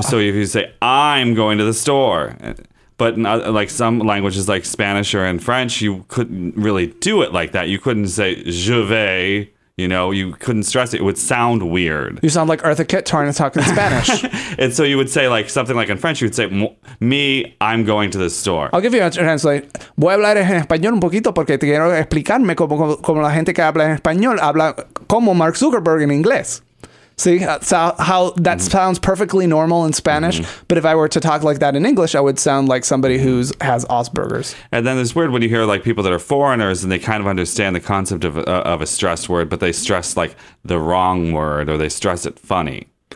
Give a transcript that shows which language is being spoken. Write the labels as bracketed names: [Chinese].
[English] So if you say, I'm going to the store. But in other, like some languages like Spanish or in French, you couldn't really do it like that. You couldn't say, [French] je vais. [English] You know, you couldn't stress it. It would sound weird. You sound like Eartha Kitt trying to talk in Spanish. And so you would say like something like in French, you would say, me, I'm going to the store. I'll give you a translate. [Spanish] Voy a hablar en español un poquito porque te quiero explicarme como la gente que habla en español habla como Mark Zuckerberg en inglés. [English] See how that mm-hmm. sounds perfectly normal in Spanish. Mm-hmm. But if I were to talk like that in English, I would sound like somebody who has Asperger's. And then it's weird when you hear like people that are foreigners and they kind of understand the concept of a stressed word, but they stress like the wrong word or they stress it funny.